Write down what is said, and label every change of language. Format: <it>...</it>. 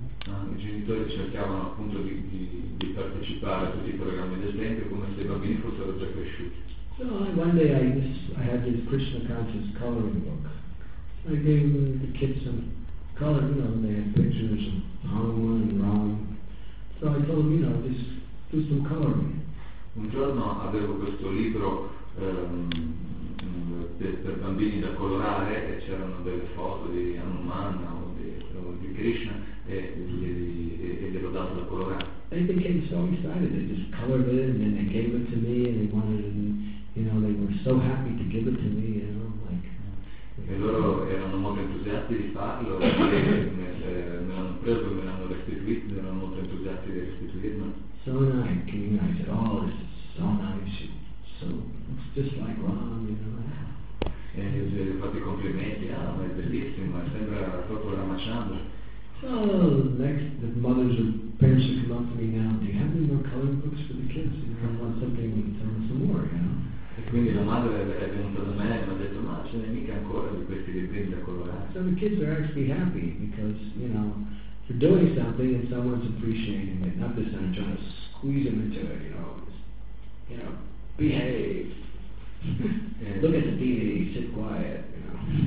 <it>I genitori cercavano appunto di partecipare a tutti i programmi del tempio come se i bambini fossero già cresciuti.</it> <en>So one day I had this Krishna conscious coloring book. I gave the kids some color, you know, and they had pictures of Hanuman and Ram. So I told them, you know, just do some coloring.</en> <it>Un giorno avevo questo libro per bambini da colorare e c'erano delle foto di Hanuman o di Krishna e glielo dato da colorare.</it> <en>They became so excited. They just colored it and then they gave it to me and they wanted it and, you know, they were so happy to give it to me, you know.</en> <it>E loro erano molto entusiasti di farlo e me l'hanno preso, me l'hanno restituito, erano molto entusiasti di restituirlo.</it> <en>So nice, you know, I said, oh, this is so nice, so, it's just like Ram, you know.</en> <it>E gli ho fatto i complimenti, ah, ma è bellissimo, sembra proprio Ramachandra.</it> <en>So, next, the mothers and parents are coming up to me now, do you have any more coloring books for the kids? You know, I want something to tell them some more, you know.</en> <it>E quindi la madre è venuta da me e mi ha detto ma ce n'è mica ancora di questi libri da colorare.</it> <en>So the kids are actually happy because, you know, they're doing something and someone's appreciating it, not just trying to squeeze them into it, you know. Just, you know, behave. Look at the TV, sit quiet, you know.</en>